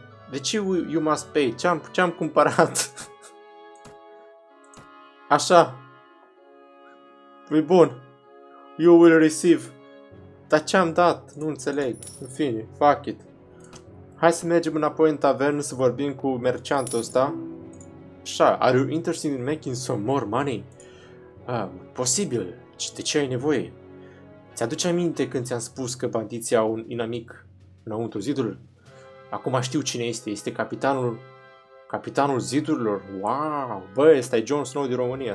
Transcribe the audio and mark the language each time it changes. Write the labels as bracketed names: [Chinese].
[Romanian] De ce [English] you must pay? [Romanian] Ce-am cumpărat? Așa. Păi bun. [English] You will receive. [Romanian] Dar ce-am dat? Nu înțeleg. În fine, [English] fuck it. [Romanian] Hai să mergem înapoi în tavernă să vorbim cu merceantul ăsta. Așa, [English] are you interested in making some more money? [Romanian] Posibil. De ce ai nevoie? Ți-aduce aminte când ți-am spus că bandiții au un inamic înăuntru zidurilor? Acum știu cine este. Este capitanul zidurilor. Wow! Bă, ăsta e Jon Snow din România.